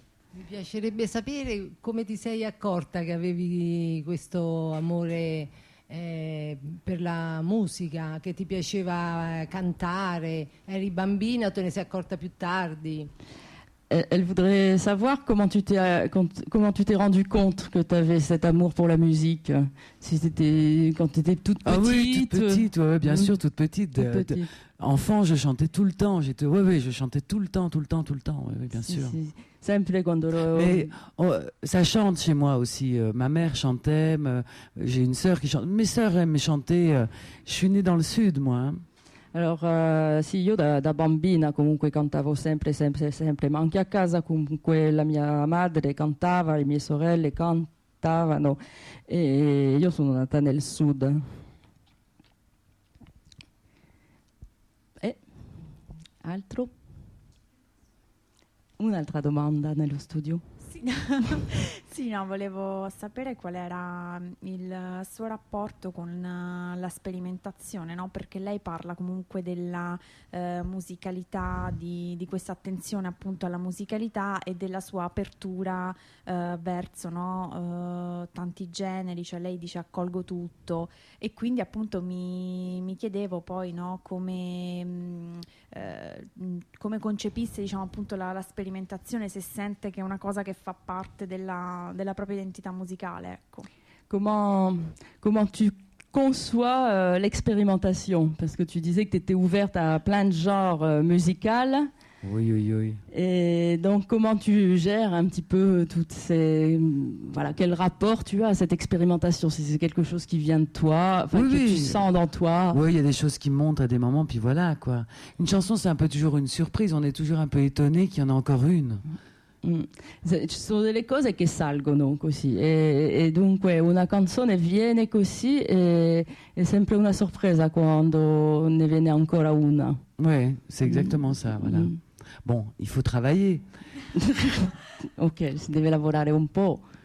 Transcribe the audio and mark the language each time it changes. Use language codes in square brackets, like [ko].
[it] Mi piacerebbe sapere come ti sei accorta che avevi questo amore per la musica, che ti piaceva cantare. Eri bambina o te ne sei accorta più tardi? [fr] Elle voudrait savoir comment tu t'es rendu compte que tu avais cet amour pour la musique. Si c'était quand tu étais toute petite. Ah oui, toute petite, ouais, bien sûr, toute petite. Enfant, je chantais tout le temps. Je chantais tout le temps, ouais, bien sûr. [it] Sempre quando ero... [fr] Mais ça chante chez moi aussi. Ma mère chantait, j'ai une sœur qui chante. Mes sœurs aiment chanter. Je suis née dans le sud, moi. [it] Allora, sì, io da bambina comunque cantavo sempre, ma anche a casa comunque la mia madre cantava, le mie sorelle cantavano, e io sono nata nel sud. E altro? Un'altra domanda nello studio? Sì, no, volevo sapere qual era il suo rapporto con la sperimentazione, no? Perché lei parla comunque della musicalità, di questa attenzione appunto alla musicalità e della sua apertura verso, no, tanti generi, cioè lei dice accolgo tutto, e quindi appunto mi chiedevo poi, no, come concepisse, diciamo, appunto la sperimentazione, se sente che è una cosa che fa parte della propria identità musicale, ecco. [fr] Comment tu conçois l'expérimentation, parce que tu disais que tu étais ouverte à plein de genres musical. Oui, oui, oui. Et donc comment tu gères un petit peu toutes ces, voilà, quel rapport tu as à cette expérimentation, si c'est quelque chose qui vient de toi, oui, que oui. Tu sens dans toi. Oui, il y a des choses qui montent à des moments, puis voilà, quoi. Une chanson, c'est un peu toujours une surprise, on est toujours un peu étonné qu'il y en a encore une. [it] Ci sono delle cose che salgono così, e dunque una canzone viene così, e è sempre una sorpresa quando ne viene ancora una. [fr] Oui, c'est exactement ça, voilà. Bon, il faut travailler. [it] Ok, si deve lavorare un po'.